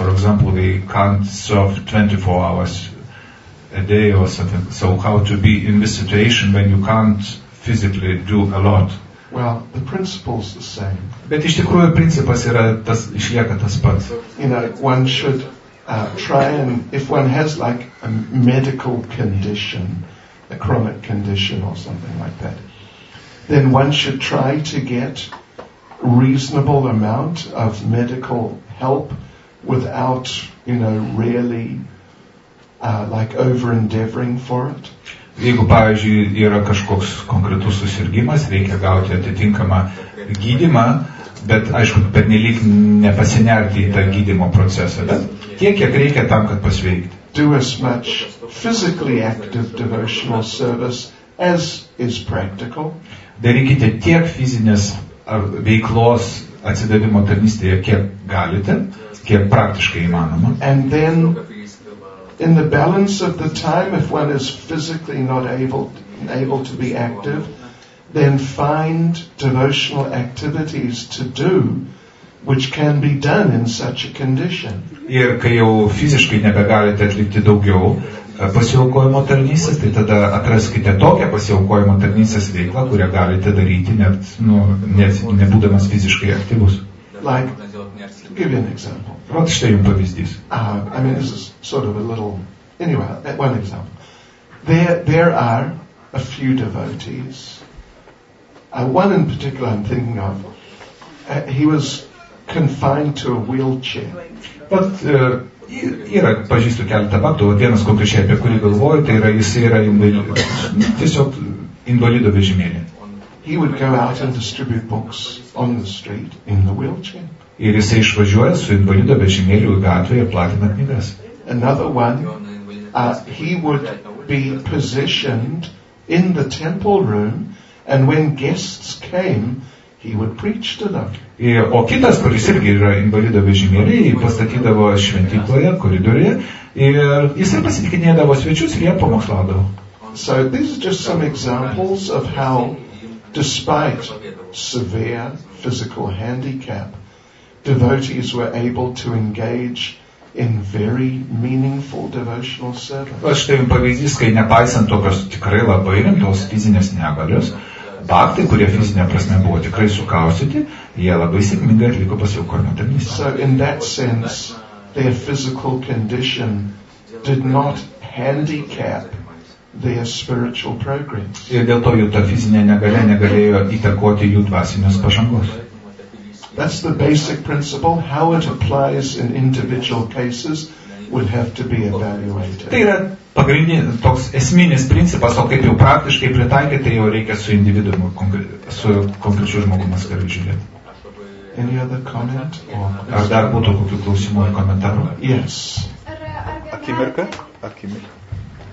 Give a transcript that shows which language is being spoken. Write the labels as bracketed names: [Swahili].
[English] For example, they can't serve 24 hours a day or something. So how to be in this situation when you can't physically do a lot? Well, the principle is the same. [Lithuanian] Bet iš tikrųjų principas yra tas, išlieka tas pats. [English] You know, one should try and, if one has like a medical condition, a chronic condition or something like that, then one should try to get reasonable amount of medical help without, you know, really like over-endeavoring for it. [Lithuanian] Jeigu, pavyzdžiui, yra kažkoks konkretus susirgymas, reikia gauti atitinkamą gydymą, bet, aišku, pernelyg nepasinerti į tą gydymo procesą. Bet tiek, kiek reikia tam, kad pasveikti. [English] Do as much physically active devotional service as is practical. [Lithuanian] Darykite tiek fizinės veiklos atsidavimo tarnystėje, kiek galite, kiek praktiškai įmanoma. [English] And then in the balance of the time, if one is physically not able to be active, then find devotional activities to do which can be done in such a condition. [Lithuanian] Ir kai jau fiziškai nebegalite atlikti daugiau pasiaukojimo tarnystės, tai tada atraskite tokią pasiaukojimo tarnystės veiklą, kurią galite daryti net, nu, nebūdamas fiziškai aktyvus. [English] Like, give you an example. [Lithuanian] Vat štai jums pavyzdys. [English] I mean, this is sort of a little, anyway, one example. There are a few devotees. One in particular I'm thinking of, he was confined to a wheelchair. [Lithuanian] But yra, pažįstu keletą vaktų, vienas konkrečiai, apie kurį galvoju, tai yra, jis yra tiesiog invalido vežimėlė. [English] He would go out and distribute books on the street in the wheelchair. [Lithuanian] Ir jis išvažiuoja su invalido vežimėliu į gatvę ir platina knygas. [English] Another one, he would be positioned in the temple room, and when guests came, he would preach to them. [Lithuanian] O kitas, kuris irgi yra invalido vežimėlį, jį pastatydavo šventykloje, koridoriuje, ir jis ir pasitikinėdavo svečius ir jie pamokslaudavo. [English] So these are just some examples of how, despite severe physical handicap, devotees were able to engage in very meaningful devotional service. [Lithuanian] Aš tai jums pavyzdys, kai nepaisant tokios tikrai labai rimtos fizinės negalios, baktai, kurie fizinė prasme buvo tikrai sukausyti, jie labai sėkmingai atliko pasiaukojimo tarnystę. [English] So in that sense, their physical condition did not handicap their spiritual progress. [Lithuanian] Ir dėl to jų ta fizinė negalė negalėjo įtakoti jų dvasinės pažangos. [English] That's the basic principle. How it applies in individual cases would have to be evaluated. [Lithuanian] Tai yra pagrindinis, toks esminis principas, o kaip jau praktiškai pritaikyti, tai jau reikia su individuum, su konkrečiu žmogumu atskirai žiūrėti. [English] Any other comment? [Lithuanian] Ar dar būtų kokių klausimų ar komentarų? [English] Yes. [Lithuanian] Akimirka? Akimirka.